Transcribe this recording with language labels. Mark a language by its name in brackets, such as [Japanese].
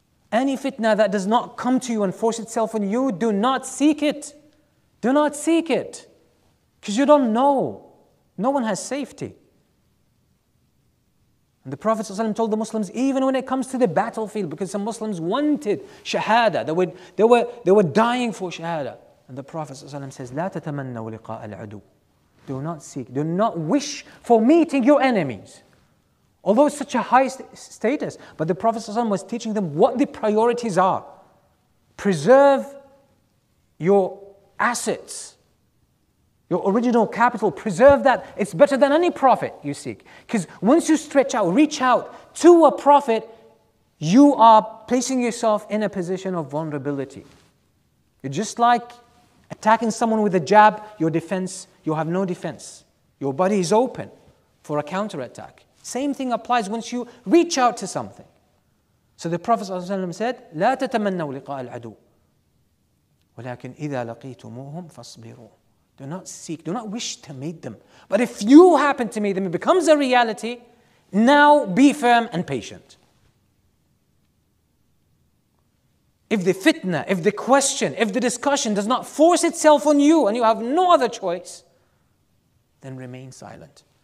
[English] Any fitna that does not come to you and force itself on you, do not seek it. Do not seek it. Because you don't know. No one has safety. And the Prophet ﷺ told the Muslims, even when it comes to the battlefield, because some Muslims wanted shahada, they were dying for shahada. And the Prophet ﷺ says, [Arabic] لَا تَتَمَنَّوا لِقَاءَ الْعَدُوْ. [English] Do not seek, do not wish for meeting your enemies. Although it's such a high status, but the Prophet ﷺ was teaching them what the priorities are. Preserve your assets. Your original capital, preserve that. It's better than any prophet you seek. Because once you stretch out, reach out to a prophet, You are placing yourself in a position of vulnerability. You're just like attacking someone with a jab, your defense, you have no defense. Your body is open for a counterattack. Same thing applies once you reach out to something. So the Prophet ﷺ said, [Arabic] لا تتمنوا لقاء العدو ولكن إذا لقيتموهم فاصبروا. [English] Do not seek, do not wish to meet them. But if you happen to meet them, it becomes a reality, now be firm and patient. If the fitna, if the question, if the discussion does not force itself on you and you have no other choice, then remain silent.